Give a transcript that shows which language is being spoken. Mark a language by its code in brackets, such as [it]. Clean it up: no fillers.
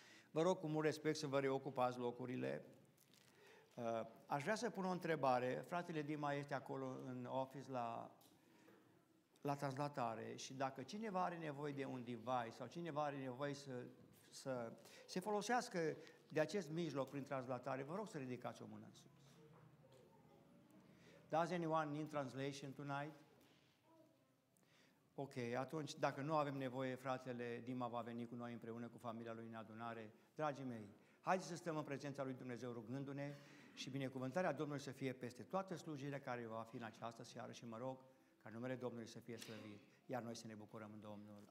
[ro] Vă rog cu mult respect să vă reocupați locurile. Aș vrea să pun o întrebare. Fratele Dima este acolo în office la translatare și dacă cineva are nevoie de un device sau cineva are nevoie să se folosească de acest mijloc prin translatare, vă rog să ridicați o mână în sus. [en] Does anyone need translation tonight? [ro] Ok, atunci dacă nu avem nevoie, fratele Dima va veni cu noi împreună cu familia lui în adunare. Dragii mei, haideți să stăm în prezența lui Dumnezeu rugându-ne și binecuvântarea Domnului să fie peste toată slujirea care va fi în această seară și mă rog ca numele Domnului să fie slăvit, iar noi să ne bucurăm în Domnul.